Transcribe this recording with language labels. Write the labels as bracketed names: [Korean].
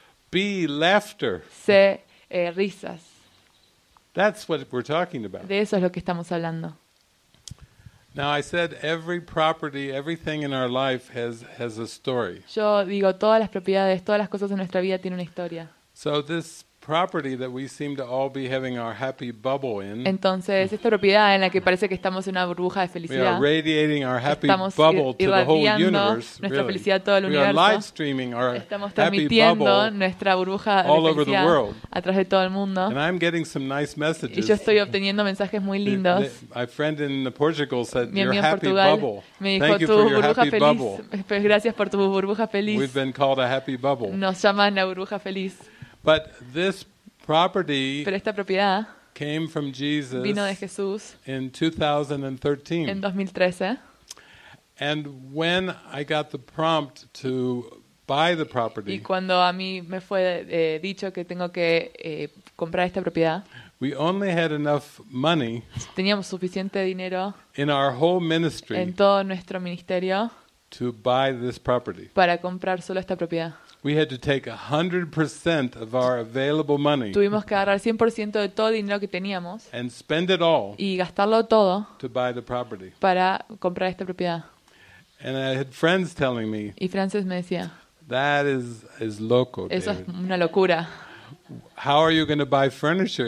[English] Be laughter. [Spanish] Sé risas. [English] That's what we're talking about. [Spanish] De eso es lo que estamos hablando. [English] Now I said every property, everything in our life has a story. [Spanish] Yo digo todas las propiedades, todas las cosas en nuestra vida tienen una historia. [English] So this property that we seem to all be having our happy bubble in. [Spanish] Entonces esta propiedad en la que parece que estamos en una burbuja de felicidad. [English] We are radiating our happy bubble to the whole universe. [Spanish] Nuestra felicidad a todo el universo. [English] We are live streaming our [Spanish] estamos transmitiendo nuestra burbuja de felicidad a través de todo el mundo. [English] And I'm getting some nice messages. [Spanish] Y yo estoy obteniendo mensajes muy lindos. [English] My friend in Portugal said your happy bubble. Thank you for [Spanish] your burbuja feliz. Gracias por tu burbuja feliz. [English] We've been called a happy bubble. [Spanish] Nos llaman la burbuja feliz. [English] But this property [Spanish] pero esta propiedad [English] came from Jesus [Spanish] vino de Jesús [English] in 2013. [Spanish] En 2013. [English] And when I got the prompt to buy the property, [Spanish] y cuando a mí me fue dicho que tengo que comprar esta propiedad, [English] we only had enough money [Spanish] teníamos suficiente dinero [English] in our whole ministry [Spanish] en todo nuestro ministerio [English] to buy this property. [Spanish] Para comprar solo esta propiedad. [English] We had to take 100% of our available money. [Spanish] Tuvimos que agarrar 100% de todo el dinero que teníamos. [English] And spend it all. [Spanish] Y gastarlo todo. [English] To buy the property. [Spanish] Para comprar esta propiedad. [English] And I had friends telling me. [Spanish] Y Frances me decía. [English] That is loco. David. [Spanish] Eso es una locura. [English] How are you going to buy furniture?